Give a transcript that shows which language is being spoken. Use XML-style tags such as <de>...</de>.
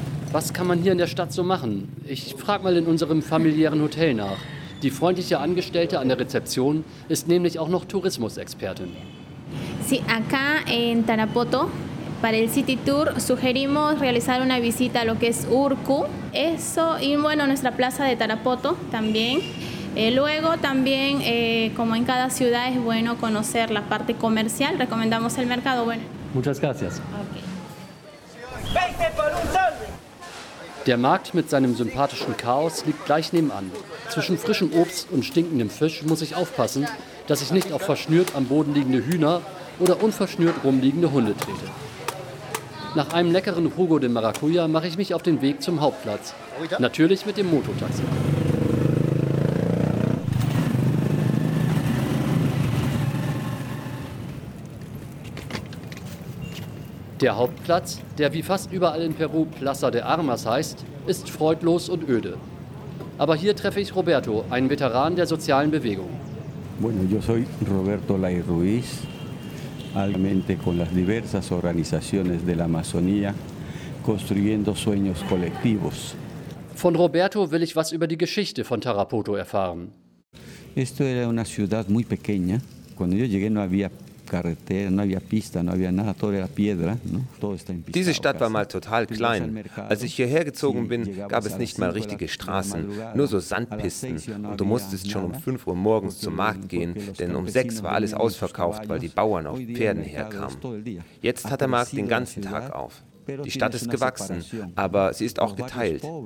<de>Was kann man hier in der Stadt so machen? Ich frage mal in unserem familiären Hotel nach. Die freundliche Angestellte an der Rezeption ist nämlich auch noch Tourismusexpertin.</de> <es>Sí, acá en Tarapoto para el City Tour sugerimos realizar una visita a lo que es Urku. Eso y bueno nuestra plaza de Tarapoto también. Luego también como en cada ciudad es bueno conocer la parte comercial. Recomendamos el mercado. Bueno. Muchas gracias. Okay.</es> <de>Der Markt mit seinem sympathischen Chaos liegt gleich nebenan. Zwischen frischem Obst und stinkendem Fisch muss ich aufpassen, dass ich nicht auf verschnürt am Boden liegende Hühner oder unverschnürt rumliegende Hunde trete. Nach einem leckeren Jugo de Maracuja mache ich mich auf den Weg zum Hauptplatz. Natürlich mit dem Mototaxi. Der Hauptplatz, der wie fast überall in Peru Plaza de Armas heißt, ist freudlos und öde. Aber hier treffe ich Roberto, einen Veteran der sozialen Bewegung.</de> <es>Bueno, yo soy Roberto Lai Ruiz, actualmente con las diversas organizaciones de la Amazonía construyendo sueños colectivos.</es> <de>Von Roberto will ich was über die Geschichte von Tarapoto erfahren.</de> <es>Esto era una ciudad muy pequeña. Cuando yo llegué no había carretera, no había pista, no había nada, todo era piedra, ¿no? Todo está en pista.</es> <de>Diese Stadt war mal total klein. Als ich hierher gezogen bin, gab es nicht mal richtige Straßen, nur so Sandpisten. Und du musstest schon um 5 Uhr morgens zum Markt gehen, denn um 6 war alles ausverkauft, weil die Bauern auf Pferden herkamen. Jetzt hat der Markt den ganzen Tag auf. Die Stadt ist gewachsen, aber sie ist auch geteilt.</de>